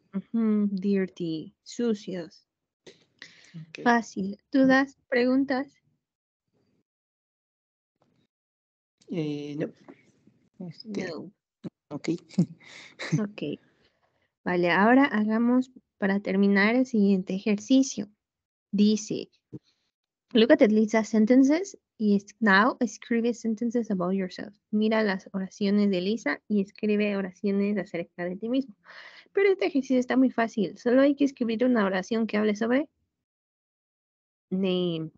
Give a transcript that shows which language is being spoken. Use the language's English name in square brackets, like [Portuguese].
[Spanish] Uh-huh. Dirty, sucios. Okay. Fácil. ¿Dudas? ¿Preguntas? No. No. Okay. Okay. Vale, ahora hagamos para terminar el siguiente ejercicio. Dice. [English] Look at Lisa's sentences y now escribe sentences about yourself. [Spanish] Mira las oraciones de Lisa y escribe oraciones acerca de ti mismo. Pero este ejercicio está muy fácil. Solo hay que escribir una oración que hable sobre name.